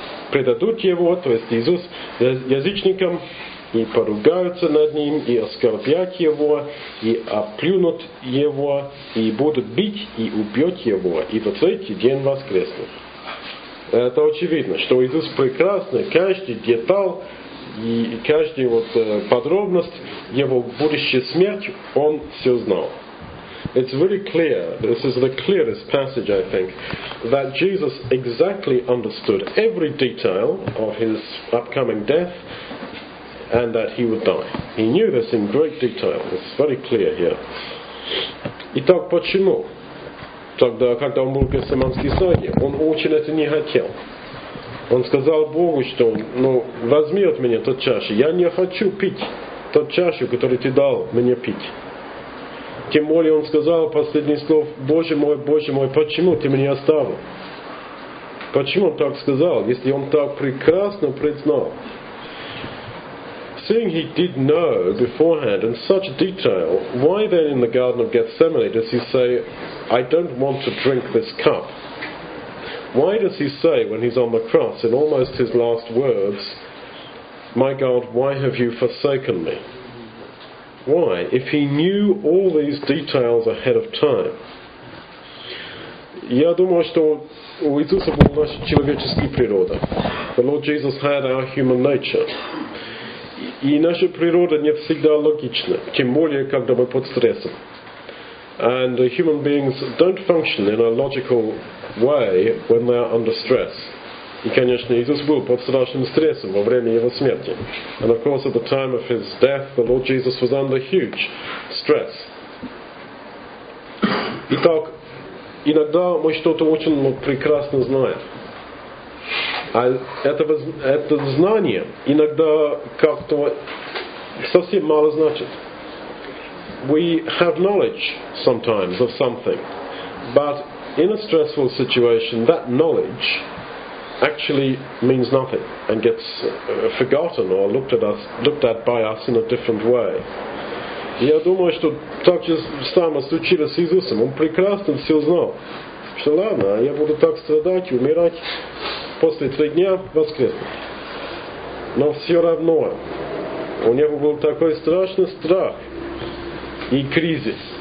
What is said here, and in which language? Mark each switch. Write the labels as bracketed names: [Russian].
[Russian] Предадут его, то есть Иисус, язычникам, и поругаются над ним, и оскорбят его, и оплюнут его, и будут бить, и убьют его, и в третий день воскреснут. Это очевидно, что Иисус прекрасный, каждый деталь, и каждая вот подробность его будущей смерти, он все знал. [English] It's really clear, this is the clearest passage, I think, that Jesus exactly understood every detail of his upcoming death and that he would die. He knew this in great detail. It's very clear here. [Russian] Итак, почему? Тогда, когда он был в Гефсиманской саде, он очень это не хотел. Он сказал Богу, что, ну, возьми от меня тот чашу, я не хочу пить тот чашу, которую ты дал мне пить. Тем более он сказал последний слов, Боже мой, почему ты меня оставил? Почему он так сказал, если он так прекрасно признал? [English] Seeing he did know beforehand in such detail, why then in the Garden of Gethsemane does he say, I don't want to drink this cup? Why does he say when he's on the cross, in almost his last words, my God, why have you forsaken me? Why? If he knew all these details ahead of time. [Russian] Я думаю, что у Иисуса была наша человеческая природа. [English] The Lord Jesus had our human nature. [Russian] И наша природа не всегда логична, тем более, когда мы под стрессом. [English] And human beings don't function in a logical way when they are under stress. [Russian] И, конечно, Иисус был под страшным стрессом во время его смерти. [English] And of course, at the time of his death, the Lord Jesus was under huge stress. [Russian] Итак, иногда мы что-то очень прекрасно знаем. А это знание иногда как-то совсем мало значит. [English] We have knowledge sometimes of something, but in a stressful situation, that knowledge actually means nothing and gets forgotten or looked at by us in a different way. [Russian] Я думаю, что так же самое случилось с Иисусом. Он прекрасно все знал, что ладно, я буду так страдать, умирать после 3 дня воскреснуть. Но все равно У него был такой страшный страх и кризис.